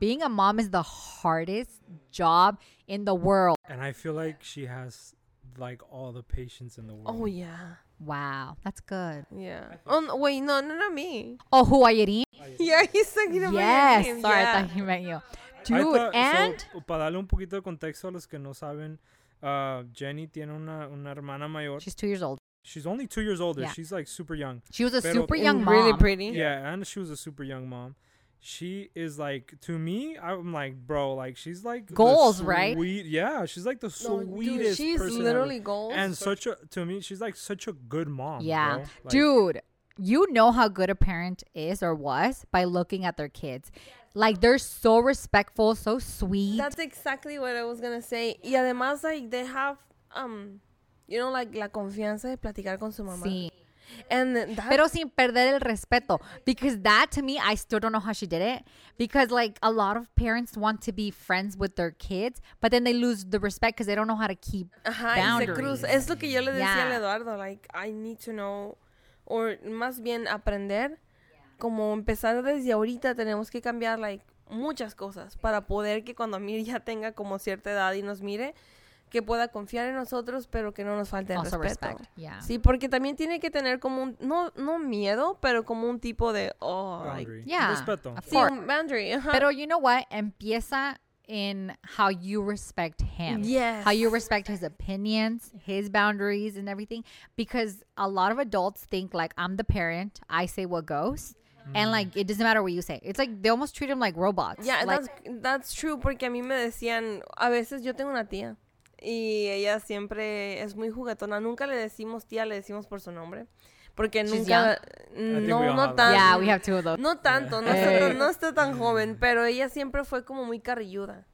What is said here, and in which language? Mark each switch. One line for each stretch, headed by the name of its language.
English: Being a mom is the hardest job in the world. And I feel like she has, like, all the patience in the world. Oh, yeah. Wow, that's good. Yeah. Oh, wait, no, no, not me. Oh, who, Ayerin? Yeah, he's talking about me. Yes, sorry, yeah. I thought he meant you. Dude, and...
Spanish: So, para darle un poquito de contexto a los que no saben, Jenny tiene una hermana mayor.
English: She's 2 years old. She's only 2 years older. Yeah. She's, like, super young. She was a super young mom. Really pretty. Yeah, and she was a super young mom. She is, like, to me, I'm like, bro, like, she's, like... Goals, sweet, right? Yeah, she's, like, the sweetest dude, she's person she's literally ever. Goals. And such a... To me, she's, like, such a good mom, yeah, bro. Like, dude, you know how good a parent is or was by looking at their kids. Like, they're so respectful, so sweet. That's exactly what I was gonna say.
Spanish: Y además,
English: like, they have, you know, like,
Spanish: la confianza de platicar con su mamá. Sí.
English: And that,
Spanish: pero sin perder el respeto,
English: because that to me, I still don't know how she did it, because like a lot of parents want to be friends with their kids, but then they lose the respect because they don't know how to keep boundaries.
Spanish: Es lo que yo le decía a Eduardo,
English: like I need to know, or
Spanish: más bien aprender, como empezar desde ahorita tenemos que cambiar like muchas cosas para poder que cuando Mir ya tenga como cierta edad y nos mire, que pueda confiar en nosotros, pero que no nos falte el
English: also
Spanish: respeto.
English: Respect. Yeah.
Spanish: Sí, porque también tiene que tener como un, no miedo, pero como un tipo de, oh.
English: Boundary. Like, yeah.
Spanish: Respeto.
English: Sí, boundary. Uh-huh. Pero you know what?
Spanish: Empieza
English: in how you respect him. Yes. How you respect his opinions, his boundaries and everything. Because a lot of adults think like, I'm the parent, I say what goes. And like, it doesn't matter what you say. It's like, they almost treat him like robots. Yeah, like, that's true.
Spanish: Porque a mí me decían, a veces yo tengo una tía. Y ella siempre es muy juguetona. Nunca le decimos tía, le decimos por su nombre. Porque
English: she's
Spanish: nunca... No tanto.
English: Yeah, we have two of those.
Spanish: No tanto, yeah. no está tan joven. Pero ella siempre fue como muy carrilluda.